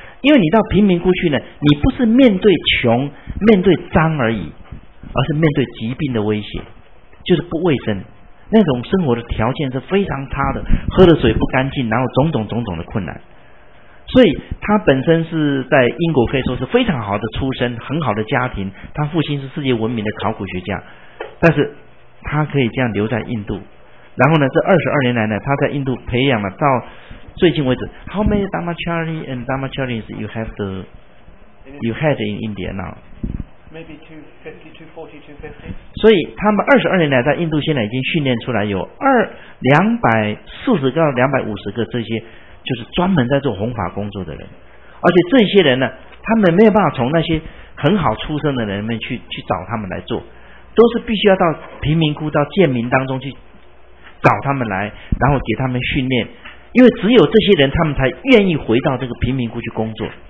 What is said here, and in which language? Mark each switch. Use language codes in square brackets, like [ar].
[zh] 因为你到贫民窟去呢，你不是面对穷面对脏而已，而是面对疾病的威胁，就是不卫生，那种生活的条件是非常差的，喝的水不干净，然后种种种种的困难。所以他本身是在英国可以说是非常好的出身，很好的家庭，他父亲是世界闻名的考古学家，但是他可以这样留在印度。然后呢，这22年来呢，他在印度培养了，到最近为止 [en] How many Dhammacharya and Dhammacharyas you had in India now? Maybe 250. [zh] 所以他们22年来在印度现在已经训练出来有240到250个这些就是专门在做弘法工作的人。而且这些人呢，他们没有办法从那些很好出生的人们去找他们来做，都是必须要到贫民窟到贱民当中去找他们来，然后给他们训练，因为只有这些人他们才愿意回到这个贫民窟去工作。